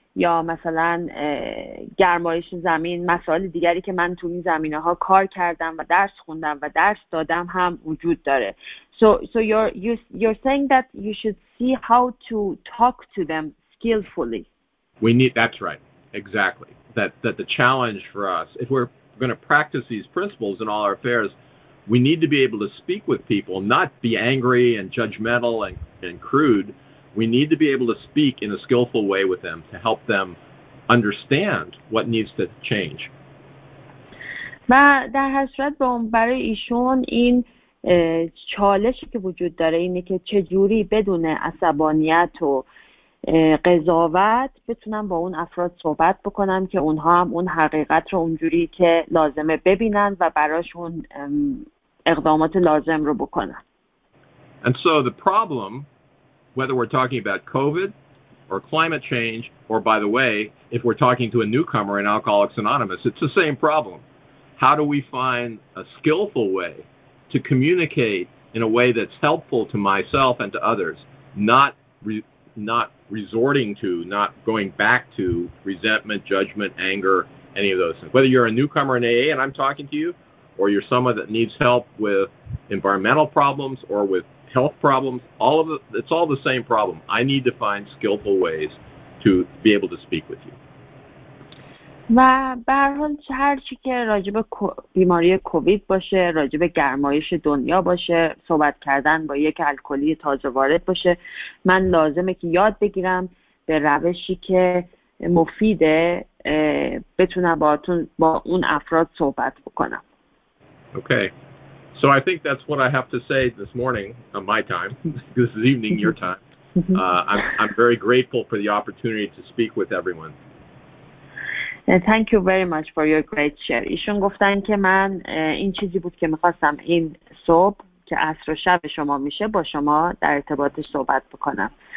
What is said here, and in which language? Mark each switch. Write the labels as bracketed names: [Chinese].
[Persian] یا مثلا گرمایش زمین، مسائل دیگری که من تو این زمینه ها کار کردم و درس خوندم و درس دادم هم وجود داره. [English] So you're saying that you should see how to talk to them skillfully. We need, that's right, exactly. That the challenge for us, if we're going to practice these principles in all our affairs, we need to be able to speak with people, not be angry and judgmental and crude. We need to be able to speak in a skillful way with them to help them understand what needs to change. [Persian] و در هر صورت برای ایشون این چالشی که وجود داره اینه که چجوری بدون عصبانیت و قضاوت بتونم با اون افراد صحبت بکنم که اونها هم اون حقیقت رو اونجوری که لازمه ببینن و براشون اقدامات لازم رو بکنن. [English] And so the problem, whether we're talking about COVID or climate change, or by the way, if we're talking to a newcomer in Alcoholics Anonymous, it's the same problem. How do we find a skillful way to communicate in a way that's helpful to myself and to others, not going back to resentment, judgment, anger, any of those things? Whether you're a newcomer in AA and I'm talking to you, or you're someone that needs help with environmental problems or with health problems, it's all the same problem. I need to find skillful ways to be able to speak with you. [Persian] و به هر حال هر چی که راجب بیماری کووید باشه، راجب گرمایش دنیا باشه، صحبت کردن با یک الکلی تازه وارد باشه، من لازمه که یاد بگیرم به روشی که مفیده بتونم با اون افراد صحبت بکنم. [English] Okay. So I think that's what I have to say this morning, my time. This is evening, your time. I'm very grateful for the opportunity to speak with everyone. Thank you very much for your great share. [Persian] ایشون گفتن که من این چیزی بود که میخواستم این صبح که عصر و شب شما میشه با شما در ارتباط صحبت بکنم.